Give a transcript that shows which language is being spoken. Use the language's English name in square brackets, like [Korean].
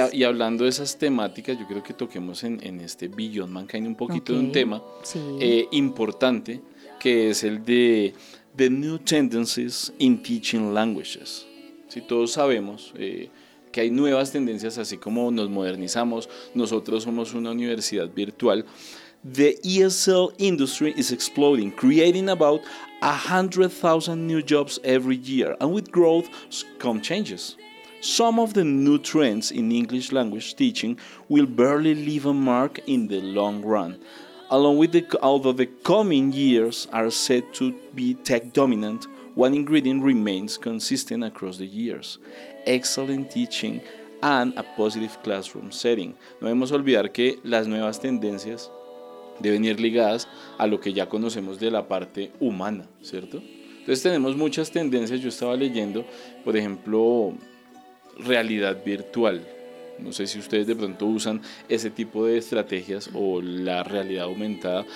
[Spanish] Y hablando de esas temáticas, yo creo que toquemos en este Beyond Mankind un poquito de un tema importante, que es el de [English] The New Tendencies in Teaching Languages. [Spanish] Si todos sabemos que hay nuevas tendencias, así como nos modernizamos, nosotros somos una universidad virtual. [English] The ESL industry is exploding, creating about 100,000 new jobs every year. And with growth come changes. Some of the new trends in English language teaching will barely leave a mark in the long run. Although the coming years are set to be tech dominant, one ingredient remains consistent across the years: excellent teaching and a positive classroom setting. [Spanish] No debemos olvidar que las nuevas tendencias deben ir ligadas a lo que ya conocemos de la parte humana, ¿cierto? Entonces tenemos muchas tendencias. Yo estaba leyendo, por ejemplo, realidad virtual. No sé si ustedes de pronto usan ese tipo de estrategias o la realidad aumentada.